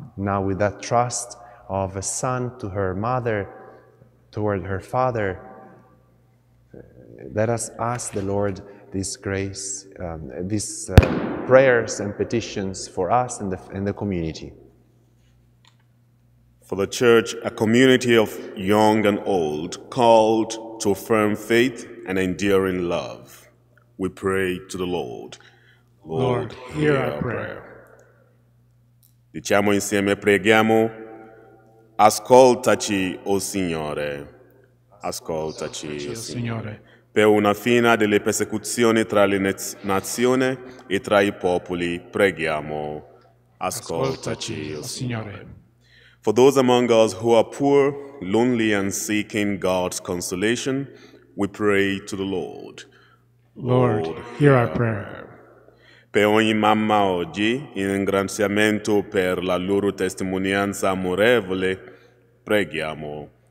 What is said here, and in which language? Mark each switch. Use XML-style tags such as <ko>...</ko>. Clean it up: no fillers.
<en>Now with that trust of a son to her mother, toward her father, let us ask the Lord this grace, these prayers and petitions for us and the community. For the Church, a community of young and old, called to a firm faith and enduring love, we pray to the Lord. Lord, hear our prayer.</en> <it>Diciamo insieme, preghiamo, ascoltaci, O Signore, ascoltaci, O Signore. Per una fine delle persecuzioni tra le nazioni e tra i popoli, preghiamo. Ascoltaci, O Signore.</it> <en>For those among us who are poor, lonely, and seeking God's consolation, we pray to the Lord. Lord, hear our prayer.</en> <it>Per ogni mamma oggi, in ringraziamento per la loro testimonianza amorevole, preghiamo.</it>